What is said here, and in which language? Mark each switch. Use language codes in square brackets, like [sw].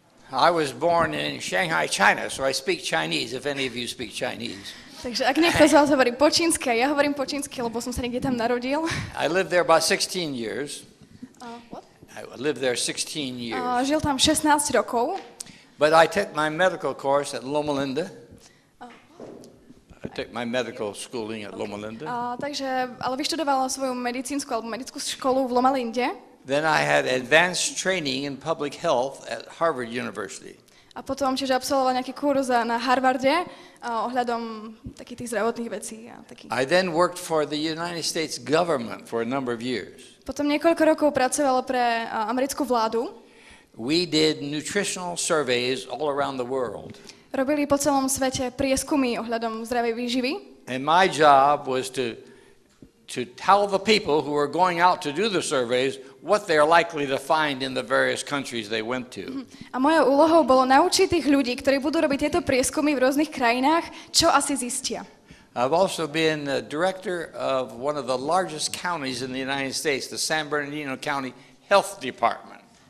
[en] I was born in Shanghai, China, so I speak Chinese, if any of you speak Chinese. [sk] Takže ak niekto z vás hovorí po čínsky, ja hovorím po čínsky, lebo som sa niekde tam narodil. [en] I lived there about 16 years. What? I lived there 16 years. [sk] Žil tam 16 rokov. [en] But I took my medical course at Loma Linda. I took my medical schooling at Loma Linda. [sk] Takže, ale vyštudovala svoju medicínsku alebo medickú školu v Loma Linde. [en] Then I had advanced training in public health at Harvard University. [sk] A potom tiež absolvovala nejaký kurz na Harvarde ohľadom takých tých zdravotných vecí a takých. [en] I then worked for the United States government for a number of years. [sk] Potom niekoľko rokov pracovala pre americkú vládu. [en] We did nutritional surveys all around the world. [sk] Robili po celom svete prieskumy ohľadom zdravej výživy. [en] And my job was to tell the people who were going out to do the surveys what they are likely to find in the various countries they went to. [sk] A mojou úlohou bolo naučiť tých ľudí, ktorí budú robiť tieto prieskumy v rôznych krajinách, čo asi zistia. [en] I've also been the director of one of the largest counties in the United States, the San Bernardino County Health Department.